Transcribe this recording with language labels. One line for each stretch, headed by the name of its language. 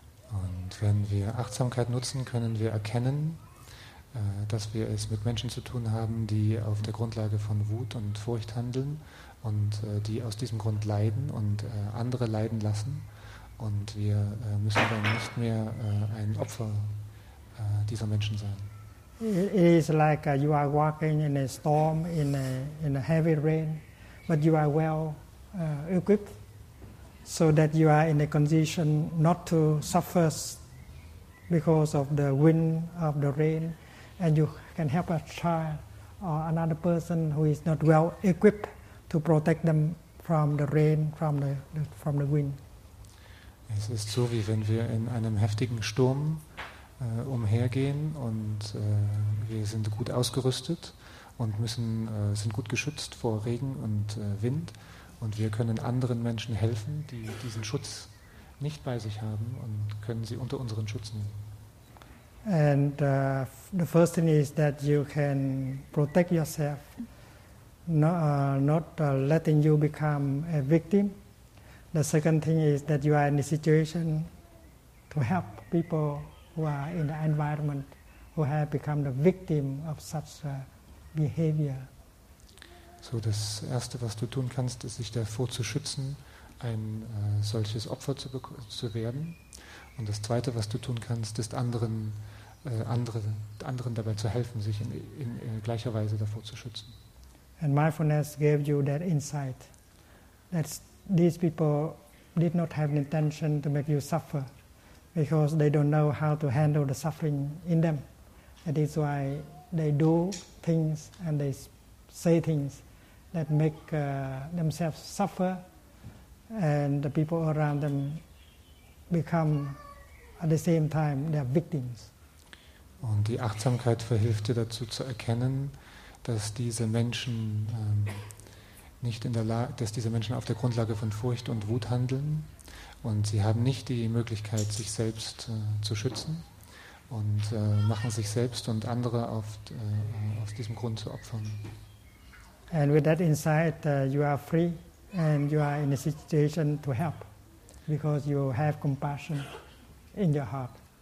German: Und wenn wir Achtsamkeit nutzen, können wir erkennen, dass wir es mit Menschen zu tun haben, die auf der Grundlage von Wut und Furcht handeln und die aus diesem Grund leiden und andere leiden lassen. Und wir müssen dann nicht mehr ein Opfer dieser Menschen sein.
English: It is like you are walking in a storm, in a heavy rain, but you are well equipped, so that you are in a condition not to suffer because of the wind, of the rain, and you can help a child or another person who is not well equipped to protect them from the rain, from the wind.
German: Es ist so, wie wenn wir in einem heftigen Sturm umhergehen, und wir sind gut ausgerüstet und sind gut geschützt vor Regen und Wind. Und wir können anderen Menschen helfen, die diesen Schutz nicht bei sich haben, und können sie unter unseren Schutz nehmen.
English: And the first thing is that you can protect yourself, not letting you become a victim. The second thing is that you are in a situation to help people who are in the environment who have become the victim of such behavior.
German: So, das Erste, was du tun kannst, ist, sich davor zu schützen, ein solches Opfer zu werden. Und das Zweite, was du tun kannst, ist, anderen dabei zu helfen, sich in gleicher Weise davor zu schützen.
English: And mindfulness gave you that insight, that these people did not have an intention to make you suffer because they don't know how to handle the suffering in them. That is why they do things and they say things that make themselves suffer, and the people around them become, at the same time, their victims.
German: Und die Achtsamkeit verhilft dir dazu zu erkennen, dass diese Menschen nicht in der Lage, dass diese Menschen auf der Grundlage von Furcht und Wut handeln, und sie haben nicht die Möglichkeit, sich selbst zu schützen und machen sich selbst und andere aus diesem Grund zu opfern.
English: And with that insight, you are free and you are in a situation to help because you have compassion in your heart.